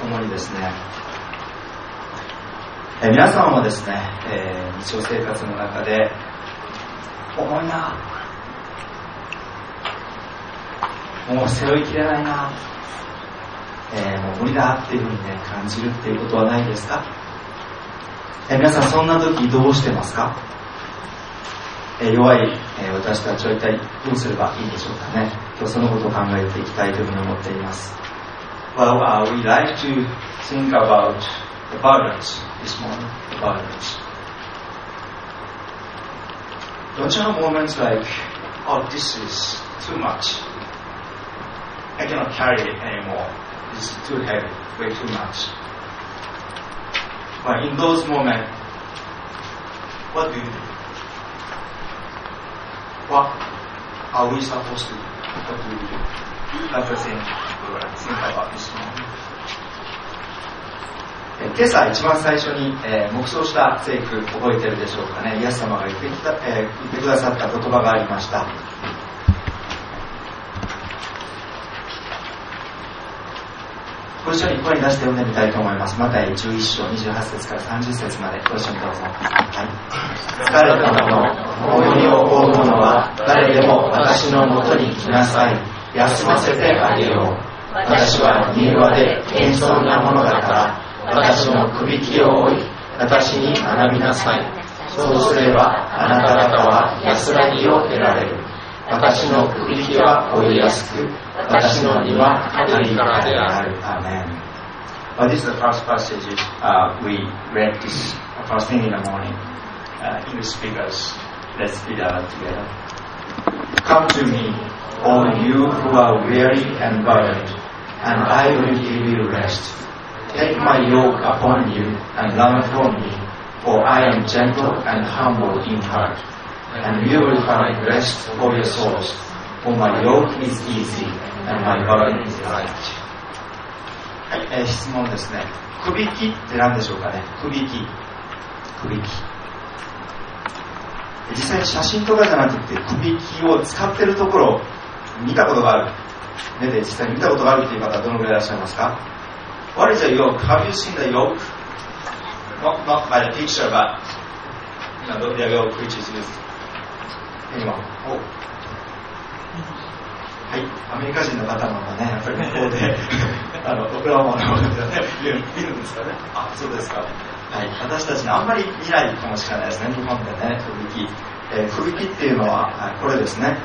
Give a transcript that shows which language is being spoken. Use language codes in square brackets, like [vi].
[ja] 重荷ですね、皆さんもですね、日常生活の中で重いな、もう背負いきれないな、もう無理だっていうふうにね感じるっていうことはないですか？皆さんそんな時どうしてますか？弱い、私たちは一体どうすればいいんでしょうかね。今日そのことを考えていきたいというふうに思っています。 [en] Well, we like to think about the burden this morning, the burden. Don't you have moments like, oh, this is too much, I cannot carry it anymore, this is too heavy, way too much. But in those moments, what do you do? What are we supposed to do? What do we do? That's the thing we were thinking about this morning. [ja] 今朝一番最初に、黙想した聖句覚えてるでしょうかね。イエス様が言ってきた、言ってくださった言葉がありました。ご一緒に声に出して読んでみたいと思います。マタイ11章28節から30節まで、ご一緒にどうぞ。疲れたもの、重荷を負う者は誰でも私のもとに来なさい、休ませてあげよう。私は柔和で謙遜なものだから、私の首輝きを負い私に学びなさい。そうすればあなた方は安らぎを得られる。私の首輝きは負いやすく、私の荷は軽いからである。アーメン。 [en] But this is the first passage we read this first thing in the morning. English speakers, let's read it together. Come to me, all you who are weary and burdened, and I will give you rest. Take my yoke upon you and learn from me, for I am gentle and humble in heart, and you will find rest for your souls. For my yoke is easy and my burden is light. [ja] はい、質問ですね。くびきって何でしょうかね。くびき、くびき、実際に写真とかじゃなくてくびきを使ってるところを見たことがある、目で実際に見たことがあるという方はどのぐらいいらっしゃいますか。 [en] What is a yoke? Have you seen the yoke? Not by the picture, but you know, the yoke which is used. Anyone? [ja] はい、アメリカ人の方もね、やっぱり向こうで、オクラホマのものを見るんですかね。あ、そうですか。はい、私たちね、あんまり見ないかもしれないですね、日本でね、くびき。くびきっていうのは、はい、これですね、